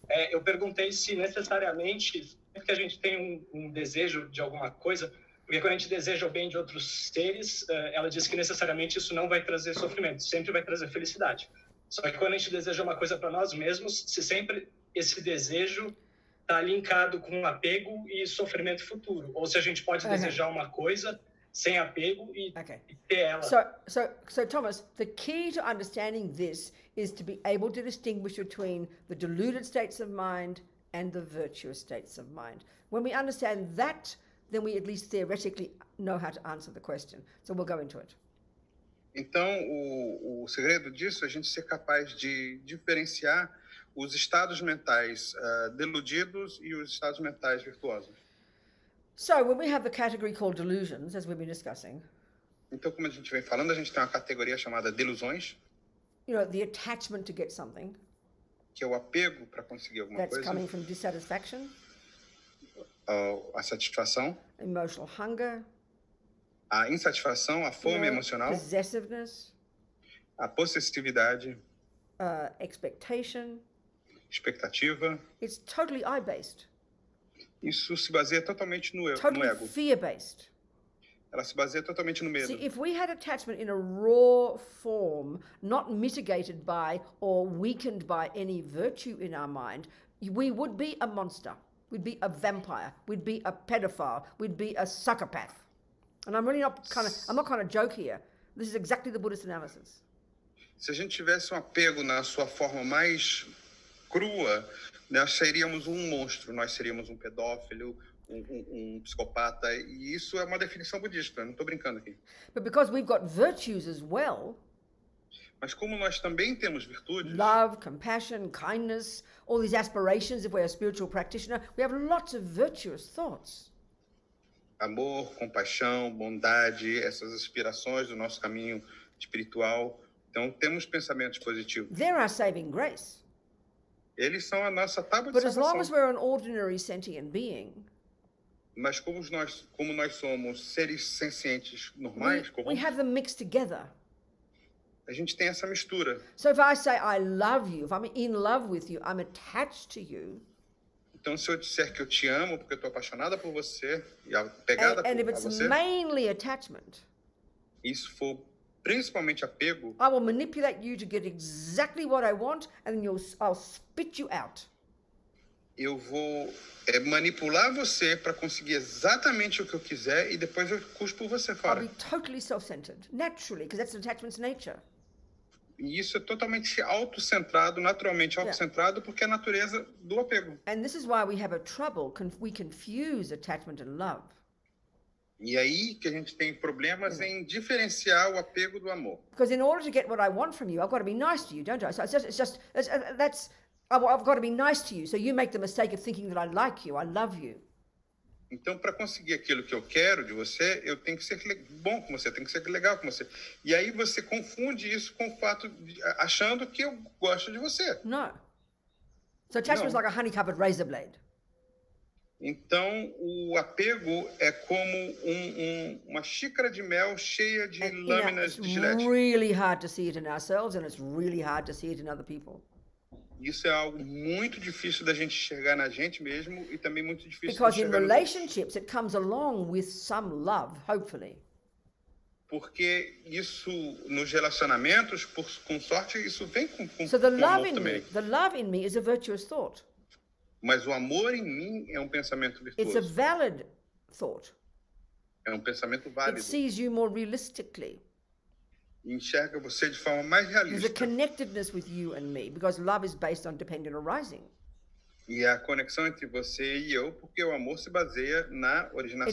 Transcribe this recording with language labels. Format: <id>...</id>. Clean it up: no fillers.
<pt>Eu perguntei se necessariamente, sempre que a gente tem um desejo de alguma coisa, porque quando a gente deseja o bem de outros seres, ela diz que necessariamente isso não vai trazer sofrimento, sempre vai trazer felicidade. Só que quando a gente deseja uma coisa para nós mesmos, se sempre esse desejo está linkado com apego e sofrimento futuro, ou se a gente pode desejar uma coisa sem apego e, e ter ela.</pt> <en>So, Thomas, the key to understanding this is to be able to distinguish between the deluded states of mind and the virtuous states of mind. When we understand that, then we at least theoretically know how to answer the question. So we'll go into it.</en> <pt>Então, o segredo disso é a gente ser capaz de diferenciar os estados mentais deludidos e os estados mentais virtuosos.</pt> <en>So when we have the category called delusions, as we've been discussing.</en> <pt>Então, como a gente vem falando, a gente tem uma categoria chamada delusões.</pt> <en>You know, the attachment to get something.</en> <pt>Que é o apego para conseguir alguma</pt> <en>that's</en> <pt>coisa.</pt> <en>That's coming from dissatisfaction.</en> <pt>A satisfação.</pt> <en>Emotional hunger.</en> <pt>A insatisfação, a fome</pt> <en>you know,</en> <pt>emocional.</pt> <en>Possessiveness.</en> <pt>A possessividade.</pt> <en>Expectation.</en> <pt>Expectativa.</pt> <en>It's totally eye-based.</en> <pt>Isso se baseia totalmente no eu,</pt> <en>totally</en> <pt>no ego.</pt> <en>Totally fear-based.</en> <pt>Ela se baseia totalmente no medo.</pt> <en>See, if we had attachment in a raw form, not mitigated by or weakened by any virtue in our mind, we would be a monster. We'd be a vampire. We'd be a pedophile. We'd be a psychopath. And I'm really not kind of, I'm not kind of joke here. This is exactly the Buddhist analysis.</en> <pt>Se a gente tivesse um apego na sua forma mais crua, nós seríamos um monstro. Nós seríamos um pedófilo. Um psicopata, e isso é uma definição budista, não estou brincando aqui.</pt> <en>But because we've got virtues as well,</en> <pt>mas como nós também temos virtudes,</pt> <en>love, compassion, kindness, all these aspirations, if we're a spiritual practitioner, we have lots of virtuous thoughts.</en> <pt>Amor, compaixão, bondade, essas aspirações do nosso caminho espiritual, então temos pensamentos positivos.</pt> <en>They're our saving grace.</en> <pt>Eles são a nossa tábua</pt> <en>but</en> <pt>de</pt> <en>as long as we're an ordinary sentient being,</en> <pt>Mas como nós somos seres sencientes normais,</pt> <en>we have them mixed together.</en> <pt>A gente tem essa mistura.</pt> <en>So if I say I love you, if I'm in love with you, I'm attached to you.</en> <pt>Então se eu disser que eu te amo porque eu tô apaixonada por você e apegada por você.</pt> <en>And if it's mainly attachment.</en> <pt>Isso for principalmente apego.</pt> <en>I will manipulate you to get exactly what I want and I'll spit you out.</en> <pt>Eu vou manipular você para conseguir exatamente o que eu quiser e depois eu cuspo você fora.</pt> <en>I'll be totally self-centered, naturally, because that's attachment's nature.</en> <pt>E isso é totalmente autocentrado, naturalmente autocentrado,</pt> <en>yeah.</en> <pt>Porque é a natureza do apego.</pt> <en>And this is why we have a trouble, we confuse attachment and love.</en> <pt>E aí que a gente tem problemas em diferenciar o apego do amor.</pt> <en>Because in order to get what I want from you, I've got to be nice to you, don't I? So I've got to be nice to you, so you make the mistake of thinking that I like you, I love you.</en> <pt>Então, para conseguir aquilo que eu quero de você, eu tenho que ser bom com você, tenho que ser legal com você. E aí você confunde isso com o fato de achando que eu gosto de você.</pt> <en>No. So attachment is like a honey-covered razor blade.</en> <pt>Então, o apego é como uma xícara de mel cheia de lâminas de gilete.</pt> <en>It's really hard to see it in ourselves, and it's really hard to see it in other people.</en> <pt>Isso é algo muito difícil da gente enxergar na gente mesmo e também muito difícil de enxergar.</pt> <en>Because in relationships it comes along with some love, hopefully.</en> <pt>Porque isso nos relacionamentos, com sorte, isso vem com amor também.</pt> <en>So the love in me, is a virtuous thought.</en> <pt>Mas o amor em mim é um pensamento virtuoso.</pt> <en>It's a valid thought.</en> <pt>É um pensamento válido.</pt> <en>It sees you more realistically.</en> <pt>Enxerga você de forma mais realista.</pt> <en>There's a connectedness with you and me, because love is based on dependent arising.</en> <pt>E a conexão entre você e eu, porque o amor se baseia na originação</pt>